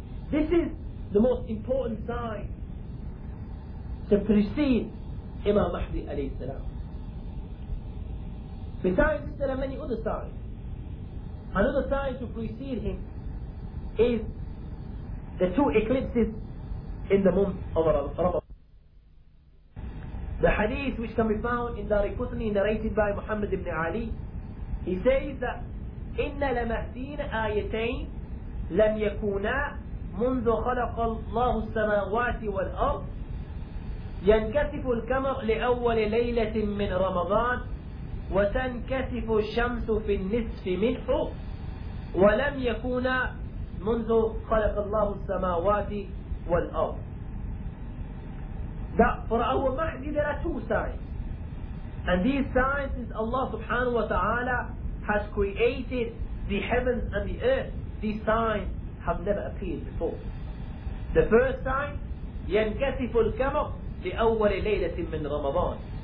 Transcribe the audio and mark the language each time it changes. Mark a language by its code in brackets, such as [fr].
[en] This is the most important sign to precede Imam Mahdi alayhi salam. Besides this, there are many other signs. Another sign to precede him is the two eclipses in the month of Ramadan. The hadith which can be found in Dar al-Qutni, narrated by Muhammad ibn Ali, he says that [ar] إِنَّ لَمَهْدِينَ آيَتَيْنَ لَمْ يَكُونَا مُنْذُ خَلَقَ اللَّهُ السَّمَاوَاتِ وَالْأَرْضِ يَنْكَسِفُ الْكَمَرْ لِأَوَّلِ لَيْلَةٍ مِّنْ رَمَضَانِ وتنكسف الشمس في النصف منه ولم يكون منذ خلق الله السماوات والأرض. [en] That for our Mahdi there are two signs, and these signs is Allah subhanahu wa ta'ala has created the heavens and the earth. These signs have never appeared before. The first sign, [ar] ينكسف الكمر لأول ليلة من رمضان.